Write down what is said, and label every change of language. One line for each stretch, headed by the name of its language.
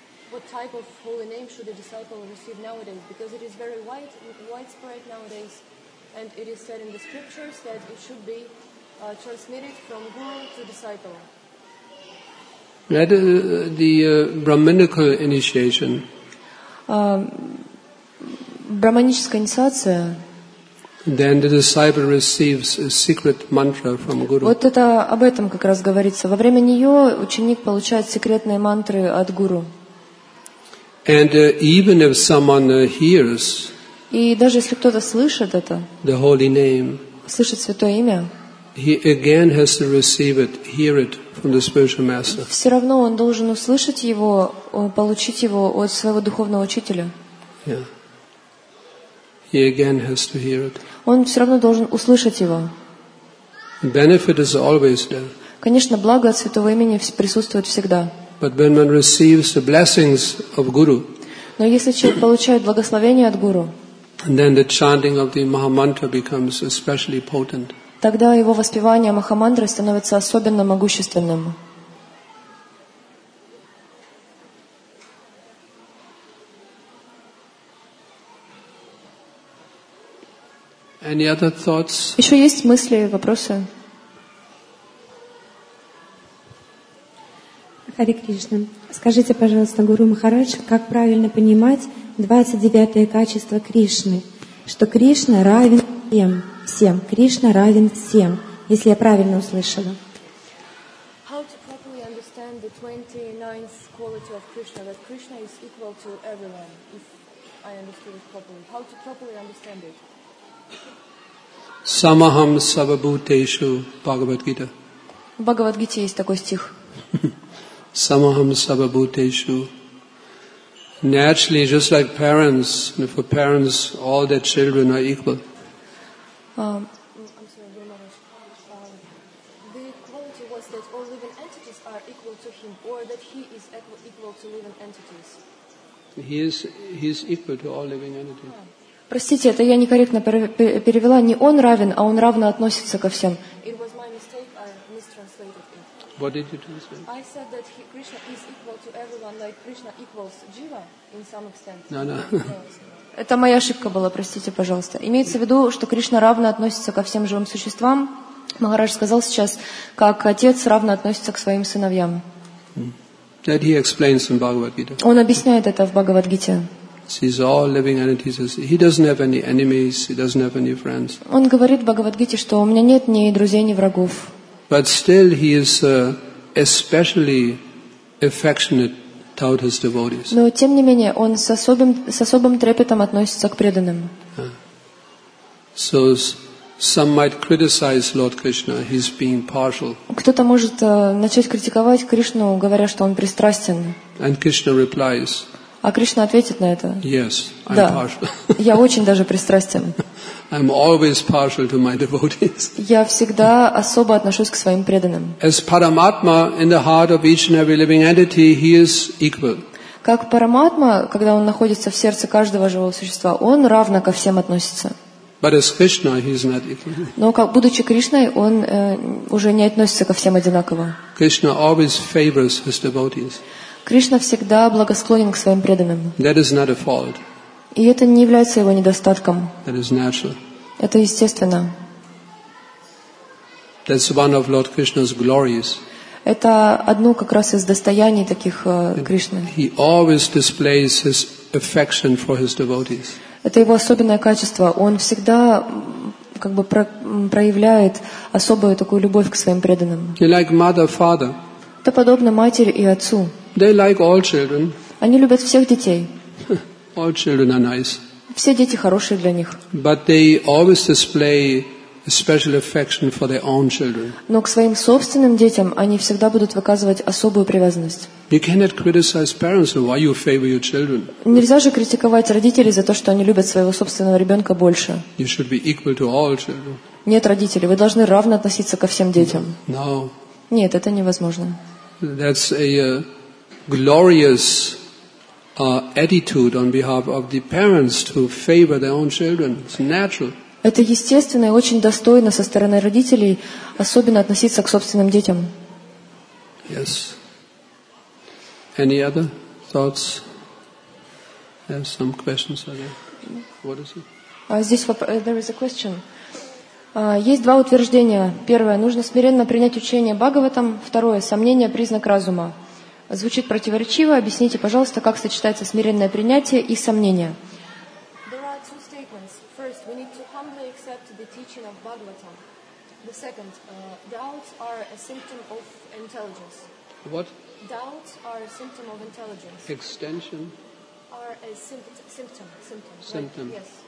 English: What type of holy name should a disciple receive nowadays? Because it is very widespread nowadays, and it is said in the scriptures that it should be transmitted from guru to disciple. That is the Brahminical initiation.
Russian: Brahmanическая инициация.
English: Then the disciple receives a secret mantra from guru.
Russian: Вот это об этом как раз говорится. Во время нее ученик получает секретные мантры от гуру.
English: And even if someone hears,
Russian: и даже если кто-то слышит это,
English: the holy name,
Russian: слышит святое имя,
English: he again has to receive it, hear it from the spiritual master.
Russian: Все равно он должен услышать его, получить его от своего духовного учителя.
English: Yeah. He again has to hear it.
Russian: Он все равно должен услышать его.
English: Benefit is always there.
Russian: Конечно, благо от святого имени присутствует всегда.
English: But when one receives the blessings of Guru,
Russian: но если человек получает благословение от Гуру,
English: then the chanting of the Maha Mantra becomes especially potent.
Russian: Тогда его воспевание Маха Мантры становится особенно могущественным.
English: Any other thoughts?
Russian: Еще есть мысли, вопросы? Хари Кришна, скажите, пожалуйста, Гуру Махарадж, как правильно понимать 29-е качество Кришны, что Кришна равен всем, всем, Кришна равен всем, если я правильно услышала?
English: How to properly understand the 29th quality of Krishna, that Krishna is equal to everyone, if I understood it properly. How to properly understand it?
Sanskrit: Самахам сабабутешу Бхагавадгита.
Russian: В Бхагавадгите есть такой стих.
Sanskrit: Самахам сабабутешу.
English: Naturally, just like parents, for parents, all their children are equal. I'm sorry, Guru Maharaj. The quality was that all living entities are equal to him, or that he is equal to living entities. He is equal to all living entities.
Russian: Простите, это я некорректно перевела. Не он равен, а он равно относится ко всем.
English: It was my mistake. I mistranslated it. What did you translate? I said that Krishna is equal to everyone, like Krishna equals Jiva in some extent. No.
Russian: Это моя ошибка была, простите, пожалуйста. Имеется в виду, что Кришна равно относится ко всем живым существам. Махарадж сказал сейчас, как отец равно относится к своим сыновьям.
English: That he explains in Bhagavad-gita.
Russian: Он объясняет это в Бхагавадгите.
English: Sees all living entities. He doesn't have any enemies. He doesn't have any friends.
Russian: Он говорит в Бхагавадгите, что у меня нет ни друзей, ни врагов.
English: But still, he is especially affectionate toward his devotees.
Russian: Но тем не менее, он с особым трепетом относится к преданным.
English: So some might criticize Lord Krishna. He's being partial.
Russian: Кто-то может начать критиковать Кришну, говоря, что он пристрастен.
English: And Krishna replies.
Russian: А Кришна ответит на это?
English: Yes,
Russian: да.
English: I'm partial.
Russian: Я очень даже пристрастен.
English: I'm always partial to my devotees.
Russian: Я всегда особо отношусь к своим преданным.
English: As Paramatma in the heart of each and every living entity, he is equal.
Russian: Как Параматма, когда он находится в сердце каждого живого существа, он равно ко всем относится.
English: But as Krishna, he is not equal.
Russian: Но будучи Кришной, он уже не относится ко всем одинаково.
English: Krishna always favors his devotees.
Russian: Кришна всегда благосклонен к своим преданным.
English: That is not a fault.
Russian: И это не является его недостатком.
English: That is natural.
Russian: Это естественно.
English: That's one of Lord Krishna's glories.
Russian: Это одно как раз из достояний таких Кришны.
English: He always displays his affection for his devotees.
Russian: Это его особенное качество. Он всегда проявляет особую такую любовь к своим преданным.
English: He like mother, father.
Russian: Это подобно матери и отцу.
English: They like all children.
Russian: Они любят всех детей.
English: All children are nice.
Russian: Все дети хорошие для них.
English: But they always display a special affection for their own children.
Russian: Но к своим собственным детям они всегда будут выказывать особую привязанность.
English: You cannot criticize parents for why you favor your children.
Russian: Нельзя же критиковать родителей за то, что они любят своего собственного ребенка больше.
English: You should be equal to all children.
Russian: Нет, родители, вы должны равно относиться ко всем детям.
English: No.
Russian: Нет, это невозможно.
English: That's a glorious attitude on behalf of the parents to favor their own children. It's natural.
Russian: Это естественно и очень достойно со стороны родителей, особенно относиться к собственным детям.
English: Yes. Any other thoughts? I have some questions. What is it? There is a question.
Russian: Есть два утверждения. Первое. Нужно смиренно принять учение Бхагаватам. Второе. Сомнение – признак разума. Звучит противоречиво. Объясните, пожалуйста, как сочетается смиренное принятие и сомнение.
English: There are two statements. First, we need to humbly accept the teaching of Bhagavatam. The second, doubts are a symptom of intelligence. What? Doubts are a symptom of intelligence. Extension? Are a symptom. Symptom. Symptom. Like, yes.